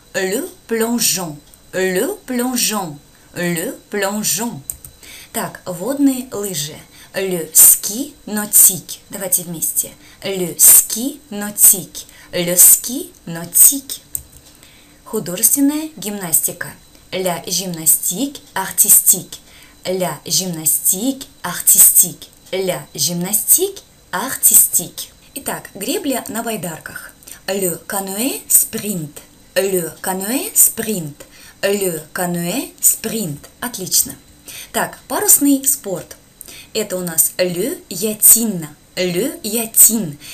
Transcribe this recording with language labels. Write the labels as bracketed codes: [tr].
[fr] Le plongeon. Le plongeon. Le plongeon. [ru] Так, водные лыжи. [fr] Le ski nautique. [ru] Давайте вместе. [fr] Le ski nautique. Le ski nautique. [ru] Художественная гимнастика. [fr] La gymnastique artistique. La gymnastique artistique. La gymnastique artistique. [ru] Итак, гребля на байдарках. [fr] Le canoë sprint. Le canoë sprint. Le canoë sprint. [ru] Отлично. Так, парусный спорт. Это у нас [fr] le yachting. Le yachting.